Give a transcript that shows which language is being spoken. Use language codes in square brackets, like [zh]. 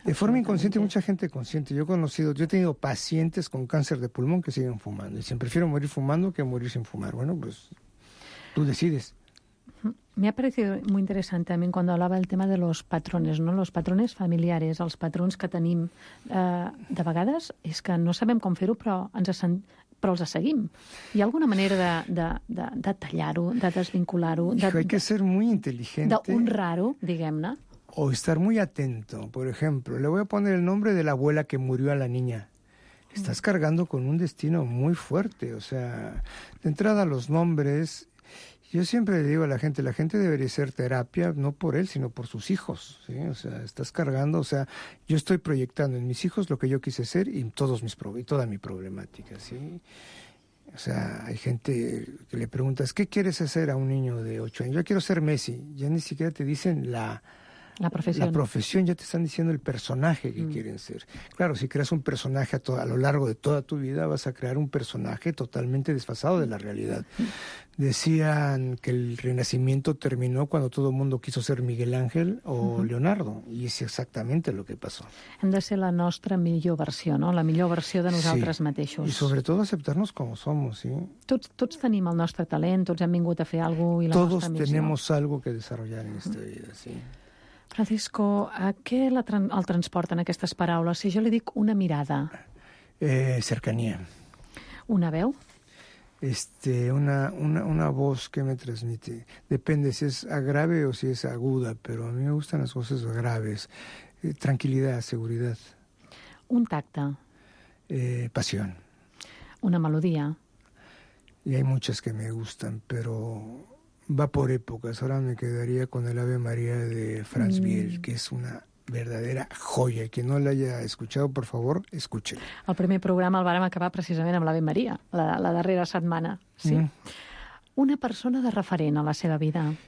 [es] De forma inconsciente, mucha gente consciente. Yo he tenido pacientes con cáncer de pulmón que siguen fumando. Y dicen, prefiero morir fumando que morir sin fumar. Bueno, pues tú decides. Me ha parecido muy interesante también cuando hablaba el tema de los patrones, ¿no? Los patrones familiares, los patrones que tenim. [ca] De vegades és que no sabem com fer-ho, però els seguim. Hi ha alguna manera de tallar-ho, de desvincular-ho? [es] Hay que ser muy inteligente. [ca] D'honrar-ho, diguem-ne. [es] O estar muy atento. Por ejemplo, le voy a poner el nombre de la abuela que murió a la niña. Estás cargando con un destino muy fuerte. O sea, de entrada los nombres... Yo siempre le digo a la gente debería ser terapia, no por él, sino por sus hijos, ¿sí? O sea, estás cargando, o sea, yo estoy proyectando en mis hijos lo que yo quise ser y toda mi problemática, ¿sí? O sea, hay gente que le preguntas, ¿qué quieres hacer a un niño de 8 años? Yo quiero ser Messi. Ya ni siquiera te dicen la profesión, ya te están diciendo el personaje que quieren ser. Claro, si creas un personaje a lo largo de toda tu vida, vas a crear un personaje totalmente desfasado de la realidad. Decían que el Renacimiento terminó cuando todo el mundo quiso ser Miguel Ángel o Leonardo, y es exactamente lo que pasó. [ca] Hem de ser la nostra millor versió, ¿no? La millor versió de nosaltres mateixos. [es] Y sobre todo aceptarnos como somos, ¿sí? [ca] Tots tenim el nostre talent, tots hem vingut a fer algo i la [es] todos [ca] nostra [es] tenemos algo que desarrollar en esta vida, ¿sí? [ca] Francisco, ¿a què el transporta en aquestes paraules? Si jo li dic una mirada. [es] Cercanía. [ca] Una veu. [es] Una voz que me transmite. Depende si es grave o si es aguda, pero a mí me gustan las voces graves. Tranquilidad, seguridad. [ca] Un tacte. [es] Pasión. una melodía. Y hay muchas que me gustan, pero va por épocas. Ahora me quedaría con el Ave María de Franz Biel, que es una verdadera joya. Que no la haya escuchado, por favor, escúchela. [ca] El primer programa el vàrem acabar precisament amb l'Ave María, la darrera setmana. Sí. Mm. Una persona de referent a la seva vida.